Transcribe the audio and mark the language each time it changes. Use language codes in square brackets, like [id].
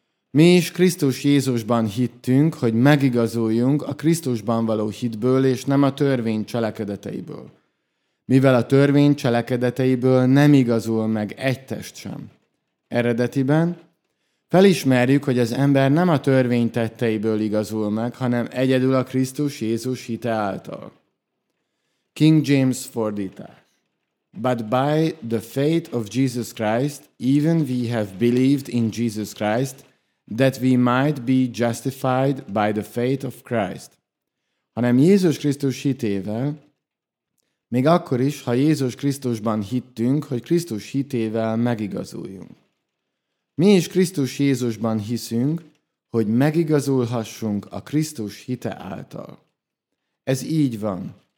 [hu] Mi is Krisztus Jézusban hittünk, hogy megigazuljunk a Krisztusban való hitből, és nem a törvény cselekedeteiből. Mivel a törvény cselekedeteiből nem igazul meg egy test sem. Eredetiben felismerjük, hogy az ember nem a törvény tetteiből igazul meg, hanem egyedül a Krisztus Jézus hite által. King James fordítás. [en] But by the faith of Jesus Christ, even we have believed in Jesus Christ, that we might be justified by the faith of Christ. [hu] Hanem Jézus Krisztus hitével, még akkor is, ha Jézus Krisztusban hittünk, hogy Krisztus hitével megigazuljunk. Mi is Krisztus Jézusban hiszünk, hogy megigazulhassunk a Krisztus hite által. Ez így van.